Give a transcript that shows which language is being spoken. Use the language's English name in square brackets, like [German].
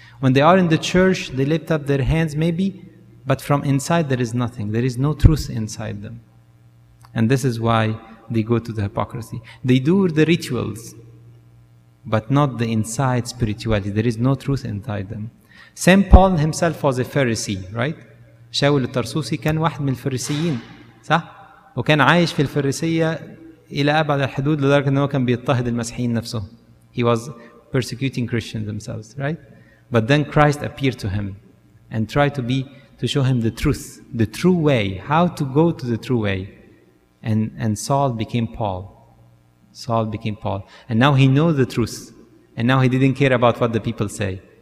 [English] When they are in the church, they lift up their hands maybe, but from inside there is nothing. There is no truth inside them. And this is why they go to the hypocrisy. They do the rituals, but not the inside spirituality. There is no truth inside them. St. Paul himself was a Pharisee, right? [Arabic] شاول الترسوسي كان واحد من الفريسيين صح؟ وكان عايش في الفريسية إلى أبعد الحدود لدرجة أنه كان بيضطهد المسيحيين نفسه. [English] He was persecuting Christians themselves, right? But then Christ appeared to him and tried to show him the truth, the true way, how to go to the true way. And Saul became Paul. Saul became Paul. And now he knows the truth. And now he didn't care about what the people say.